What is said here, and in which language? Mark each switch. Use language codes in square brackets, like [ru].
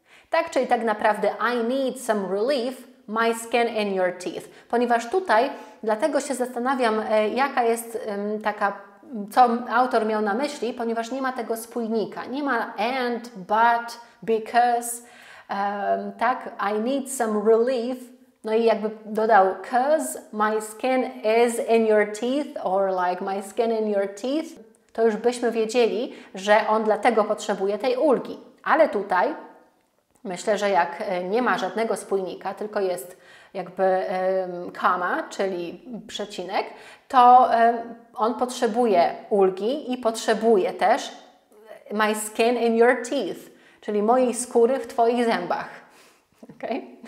[pl] Tak, czyli tak naprawdę [en] I need some relief. My skin in your teeth. [pl] Ponieważ tutaj, dlatego się zastanawiam, jaka jest taka, co autor miał na myśli, ponieważ nie ma tego spójnika. Nie ma and, but, because, tak, [en] I need some relief. [pl] No i jakby dodał, [en] because my skin is in your teeth, [pl] or like my skin in your teeth, to już byśmy wiedzieli, że on dlatego potrzebuje tej ulgi. Ale tutaj, myślę, że jak nie ma żadnego spójnika, tylko jest jakby comma, czyli przecinek, to on potrzebuje ulgi i potrzebuje też [en] my skin in your teeth, [pl] czyli mojej skóry w Twoich zębach. Okay?